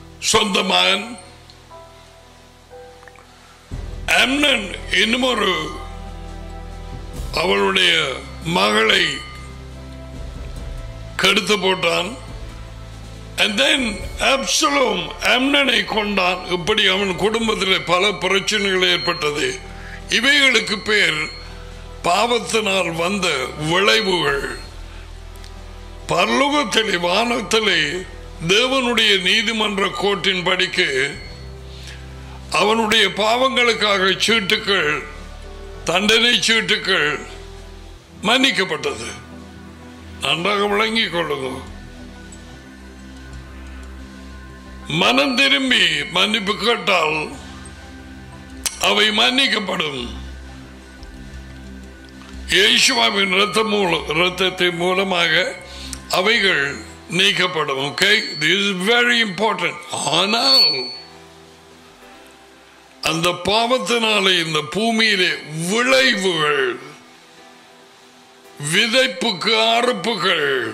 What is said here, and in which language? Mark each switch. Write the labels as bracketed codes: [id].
[ta] சொந்த மகன் அம்னன் இன்னொரு அவளுடைய மகளை கெடுத்து போட்டான். [en] And then [ta] Absalom, அம்னனை கொண்டான். இப்படி அவன் குடும்பத்தில் பல பிரச்சனைகள் ஏற்பட்டது. இவைகளுக்கு பேர் பாவத்தினால் வந்த விளைவுகள். பரலோகத்திலே வானத்திலே தேவனுடைய நீதிமன்ற கோட்டின் படிக்கு அவனுடைய பாவங்களுக்காக சீட்டுகள், தண்டனை சீட்டுகள் மன்னிக்கப்பட்டது. நன்றாக விளங்கிக் கொள்ளுங்கள். மனம் திரும்பி மன்னிப்பு கேட்டால் அவை மன்னிக்கப்படும். இயேசுவின் ரத்தத்தின் மூலமாக அவைகள் நீக்கப்படும். [en] Okay, this is very important. [ta] ஆனால் அந்த பாவத்தினாலே இந்த பூமியிலே விளைவுகள், விதைப்புக்கு அறுப்புகள்,